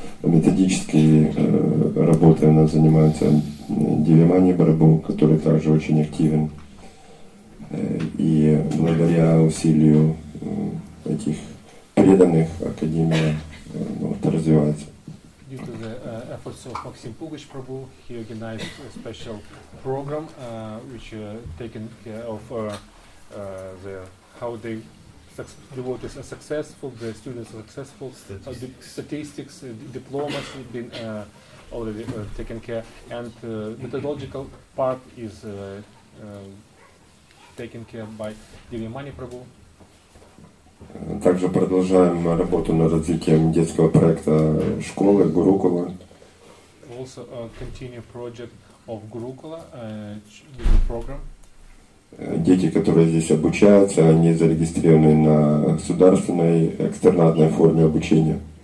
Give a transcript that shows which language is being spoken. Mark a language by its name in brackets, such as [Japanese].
[Russian] Методические работы она занимается Дивимани Прабху, который также очень активен. И благодаря усилию этих преданных академия развивается. [English] Due to the efforts of Maxim Pugach Prabhu, he organized a special program which taken care of the how they devotees are successful, the students are successful, statistics, diplomas have been already taken care, and the methodological part is taken care by Дивимани Прабху. [Russian] Также продолжаем работу над развитием детского проекта школы Гурукула. [English] Also continue project of Gurukula with program. [Russian] Дети, которые здесь обучаются, они зарегистрированы на государственной экстернатной форме обучения.